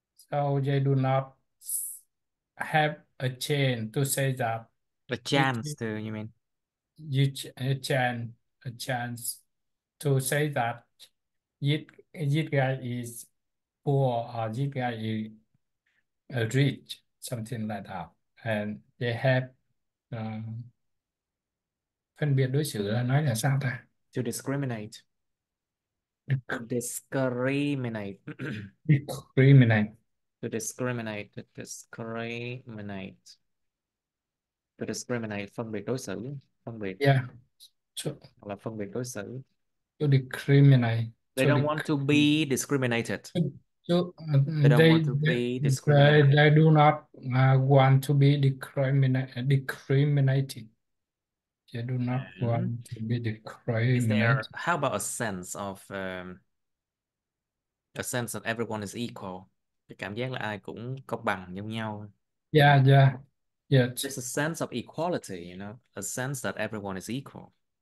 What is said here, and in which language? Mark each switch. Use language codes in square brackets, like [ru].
[en] So they do not have a chance to say that. A chance to, you mean? A chance to say that this guy is poor or this guy is rich, something like that. And they have [vi] phân biệt đối xử là nói là sao ta? [en] To discriminate. Discriminate. Discriminate. To discriminate. To discriminate. To discriminate, [vi] phân biệt đối xử, phân biệt. [en] Yeah. [vi] Hoặc là phân biệt đối xử. [en] To discriminate. They don't want to be discriminated. They do not want to be discriminated. They do not want to be discriminated. Is there, how about a sense that everyone is equal? [vi] Cái cảm giác là ai cũng có bằng như nhau. [en] Yeah. Just a sense of equality, you know, a sense that everyone is equal.